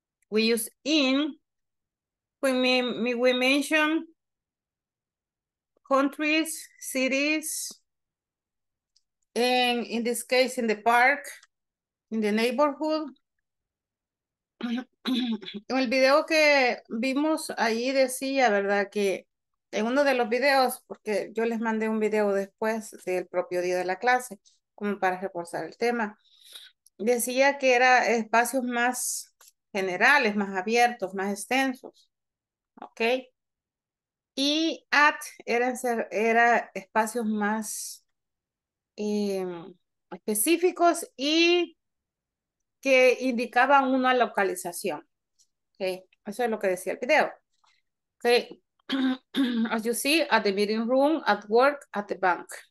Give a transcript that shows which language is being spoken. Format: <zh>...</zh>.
<en>We use in when we mention countries, cities, and in this case, in the park, in the neighborhood.</en> <es>En el video que vimos ahí decía, ¿verdad? Que en uno de los videos, porque yo les mandé un video después del propio día de la clase, como para reforzar el tema, decía que era espacios más generales, más abiertos, más extensos. ¿Ok? Y at era espacios más específicos y que indicaban una localización. Okay. Eso es lo que decía el video. Okay.</es> <en>As you see, at the meeting room, at work, at the bank.</en>